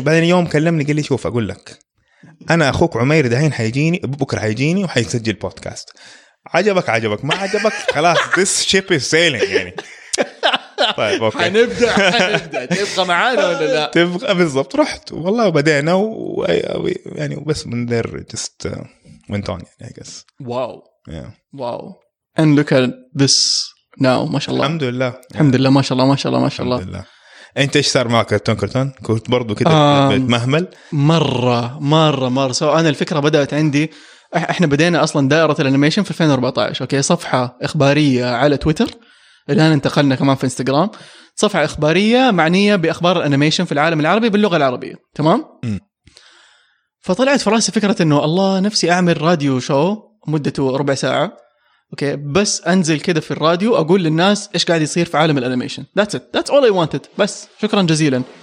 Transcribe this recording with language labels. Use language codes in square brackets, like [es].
[ar] وبعدين يوم كلمني قال لي شوف أقول لك أنا أخوك عمير دحين حيجيني بكرة حيجيني وحيسجل بودكاست. عجبك عجبك ما عجبك خلاص [en] this ship is sailing [ar] يعني. طيب اوكي حنبدأ تبقى معانا ولا لا تبقى بالضبط. رحت والله بدينا يعني بس من [en] there just went on [ar] يعني [en] I guess. [ar] واو yeah. واو [en] and look at this now [ar] ما شاء الله الحمد لله الحمد لله ما شاء الله ما شاء الله ما شاء الله الحمد لله. انت ايش صار معك كرتون كرتون كنت برضو كده مهمل مره مره مره سو انا الفكره بدات عندي احنا بدينا اصلا دائره الانيميشن في 2014 اوكي صفحه اخباريه على تويتر الان انتقلنا كمان في انستغرام صفحه اخباريه معنيه باخبار الانيميشن في العالم العربي باللغه العربيه تمام فطلعت في راسي فكره انه الله نفسي اعمل راديو شو مدته ربع ساعه اوكي بس انزل كده في الراديو اقول للناس ايش قاعد يصير في عالم الانيميشن [en] that's it that's all I wanted [ar] بس شكرا جزيلا.